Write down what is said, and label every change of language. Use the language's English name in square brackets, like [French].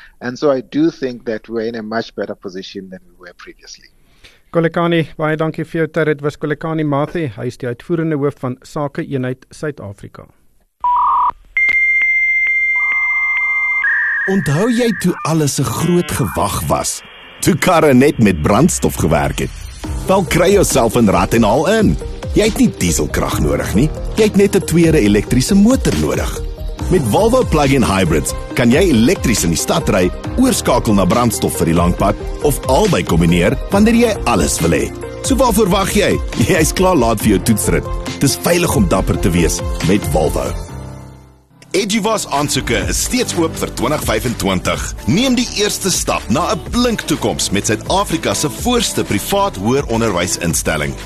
[English] And so I do think that we're in a much better position than we were previously. [Afrikaans] Kolekani, baie dankie vir jou tyd. Dit was Kolekani Mathe, hy is die uitvoerende hoof van Sake Eenheid Suid-Afrika. Onthou jy toe alles 'n groot gewag was? Toe karre net met brandstof gewerk het. Wel kry jouself in rat en haal in. Jy het nie dieselkrag nodig nie. Jy het net 'n tweede elektriese motor nodig. Met Volvo Plug-in Hybrids kan jy elektris in die stad ry, oorskakel na brandstof vir die langpad of albei kombineer wanneer jy alles wil hê. So waarvoor wag jy? Jy's klaar laat vir jou toetsrit. Dis veilig om dapper te wees met Volvo. Edgivas aansoeke is steeds oop vir 2025. Neem die eerste stap na 'n blink toekoms met Suid-Afrika se voorste privaat hoër onderwysinstelling.